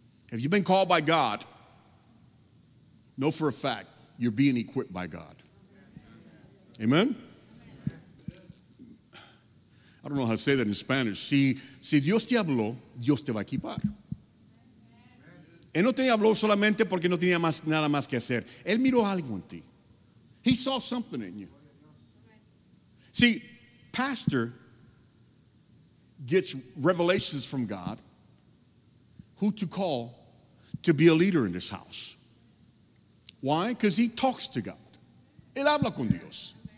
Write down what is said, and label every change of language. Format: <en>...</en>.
<en>Have you been called by God? Know for a fact, you're being equipped by God. Amen? I don't know how to say that in Spanish.</en> <es>Si Dios te habló, Dios te va a equipar. Él no te habló solamente porque no tenía más, nada más que hacer. Él miró algo en ti.</es> <en>He saw something in you. See, pastor gets revelations from God who to call to be a leader in this house. Why? Because he talks to God.</en> <es>Él habla con Dios.</es>